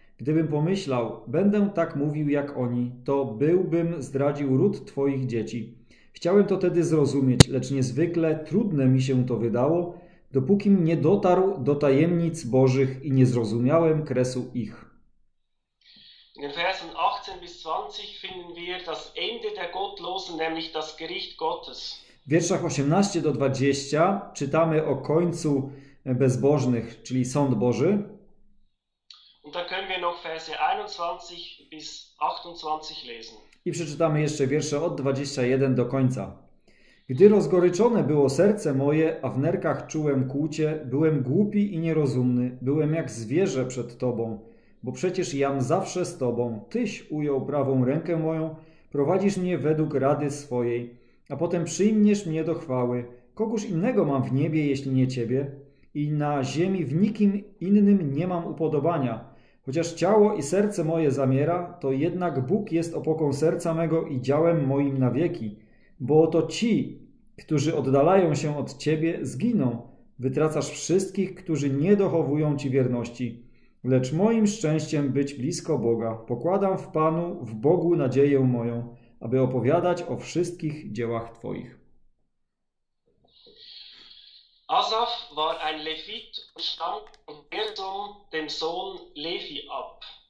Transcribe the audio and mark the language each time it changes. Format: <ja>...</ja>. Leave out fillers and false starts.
<pl>Gdybym pomyślał, będę tak mówił jak oni, to byłbym zdradził ród Twoich dzieci. Chciałem to tedy zrozumieć, lecz niezwykle trudne mi się to wydało, dopóki nie dotarł do tajemnic Bożych i nie zrozumiałem kresu ich.</pl> <de>In den Versen 18 bis 20 finden wir das Ende der Gottlosen, nämlich das Gericht Gottes.</de> <pl>W wierszach 18 do 20 czytamy o końcu bezbożnych, czyli sąd Boży.</pl> <de>Und da können wir noch Verse 21 bis 28 lesen.</de> <pl>I przeczytamy jeszcze wiersze od 21 do końca. Gdy rozgoryczone było serce moje, a w nerkach czułem kłucie, byłem głupi i nierozumny, byłem jak zwierzę przed Tobą. Bo przecież jam zawsze z Tobą, Tyś ujął prawą rękę moją, prowadzisz mnie według rady swojej, a potem przyjmiesz mnie do chwały. Kogóż innego mam w niebie, jeśli nie Ciebie? I na ziemi w nikim innym nie mam upodobania. Chociaż ciało i serce moje zamiera, to jednak Bóg jest opoką serca mego i działem moim na wieki. Bo oto ci, którzy oddalają się od Ciebie, zginą. Wytracasz wszystkich, którzy nie dochowują Ci wierności. Lecz moim szczęściem być blisko Boga. Pokładam w Panu, w Bogu nadzieję moją, aby opowiadać o wszystkich dziełach Twoich.</pl> <de>Asaf war ein Levit und stammte von dem Sohn Levi ab.</de>